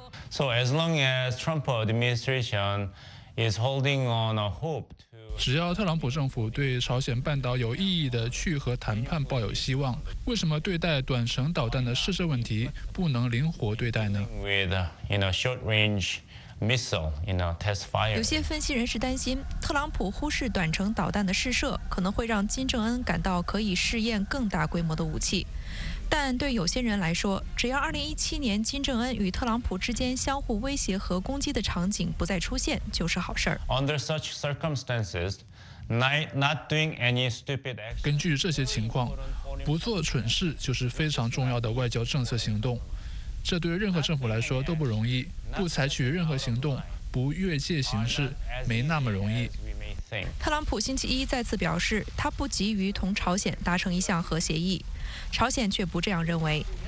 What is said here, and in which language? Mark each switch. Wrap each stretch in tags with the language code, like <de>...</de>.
<en>So as long as Trump administration is holding on a hope to...</en> <zh>只要特朗普政府对朝鲜半岛有意义的去核谈判抱有希望，为什么对待短程导弹的试射问题不能灵活对待呢？</zh> <en>With, you know, short-range missile, you know, test fire.</en> <zh>有些分析人士担心，特朗普忽视短程导弹的试射，可能会让金正恩感到可以试验更大规模的武器。但对有些人来说，只要2017年金正恩与特朗普之间相互威胁和攻击的场景不再出现，就是好事儿。</zh> <en>Under such circumstances, not doing any stupid action.</en> <zh>根据这些情况，不做蠢事就是非常重要的外交政策行动。这对任何政府来说都不容易，不采取任何行动，不越界行事，没那么容易。特朗普星期一再次表示，他不急于同朝鲜达成一项核协议，朝鲜却不这样认为。</zh>